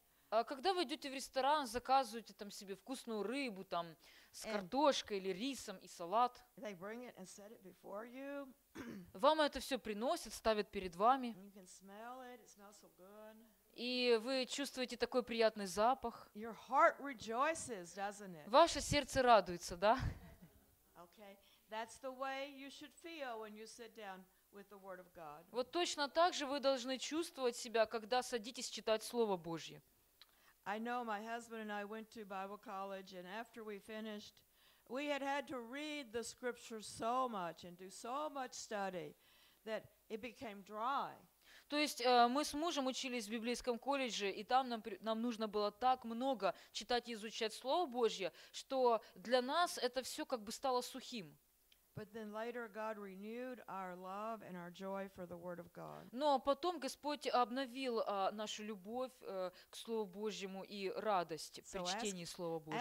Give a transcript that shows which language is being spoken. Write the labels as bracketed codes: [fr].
[ru] Когда вы идете в ресторан, заказываете там себе вкусную рыбу там с картошкой или рисом и салат. [en] They bring it and set it before you. [ru] Вам это все приносят, ставят перед вами. [en] You can smell it. It smells so good. [ru] И вы чувствуете такой приятный запах. [en] Your heart rejoices, doesn't it? [ru] Ваше сердце радуется, да? [en] Okay. That's the way you should feel when you sit down with the word of God. [ru] Вот точно так же вы должны чувствовать себя, когда садитесь читать Слово Божье. [en] I know my husband and I went to Bible college, and after we finished, we had to read the scriptures so much and do so much study that it became dry. [ru] То есть мы с мужем учились в библейском колледже, и там нам нужно было так много читать и изучать Слово Божье, что для нас это все как бы стало сухим. [en] But then later God renewed our love and our joy for the word of God. [ru] Но потом Господь обновил нашу любовь к Слову Божьему и радость при чтении Слова Божьего.